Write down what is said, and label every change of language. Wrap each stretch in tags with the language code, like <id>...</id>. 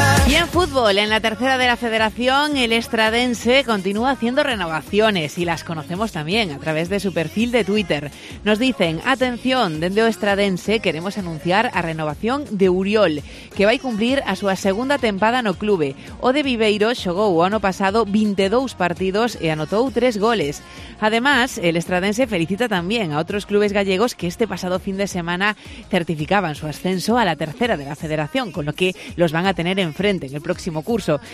<es>Y en fútbol, en la tercera de la federación, el Estradense continúa haciendo renovaciones y las conocemos también a través de su perfil de Twitter. Nos dicen, atención,</es> <gl>dende o Estradense queremos anunciar a renovación de Uriol, que vai cumplir a súa segunda tempada no clube. O de Viveiro xogou o ano pasado 22 partidos e anotou 3 goles.</gl> <es>Además, el Estradense felicita también a otros clubes gallegos que este pasado fin de semana certificaban su ascenso a la tercera de la federación, con lo que los van a tener enfrente en el próximo curso.</es>